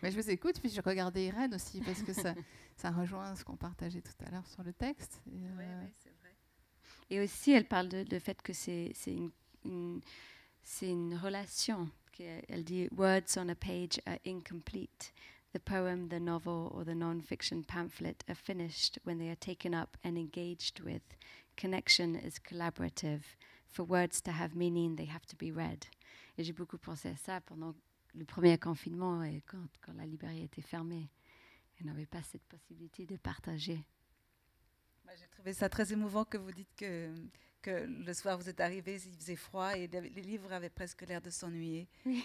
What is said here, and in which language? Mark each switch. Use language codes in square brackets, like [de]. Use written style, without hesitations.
[fr] Mais je vous écoute, puis je regardais Irène aussi, parce que ça rejoint ce qu'on partageait tout à l'heure sur le texte. Oui, c'est vrai. Et aussi, elle parle de fait que c'est une relation. Elle dit « [en] Words on a page are incomplete ». The poem, the novel, or the non-fiction pamphlet are finished when they are taken up and engaged with. Connection is collaborative. For words to have meaning, they have to be read. [fr] Et j'ai beaucoup pensé à ça pendant le premier confinement et quand la librairie était fermée. Elle n'avait pas cette possibilité de partager. J'ai trouvé ça très émouvant que vous dites que, que le soir vous êtes arrivés, il faisait froid et les livres avaient presque l'air de s'ennuyer. Oui.